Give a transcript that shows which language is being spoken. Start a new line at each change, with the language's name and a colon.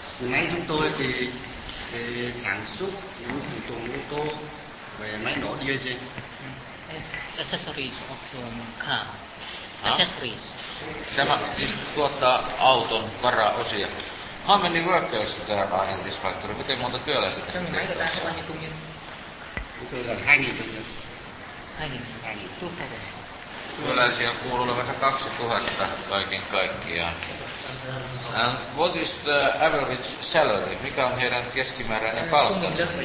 Vietnamese: Máy chúng tôi thì sản xuất những phụ tùng ô tô về máy nổ diesel.
English: Accessories of car. Accessories.
Finnish: Tämä tuottaa auton varaosia.
English: How many workers there are in this factory?
Finnish: Miten monta työläistä tässä? Tämä on 2,000. Työläisiä kuuluu olevansa 2,000 kaiken kaikkiaan.
English: And what is the average salary?
Finnish: Mikä on heidän keskimääräinen palkansa?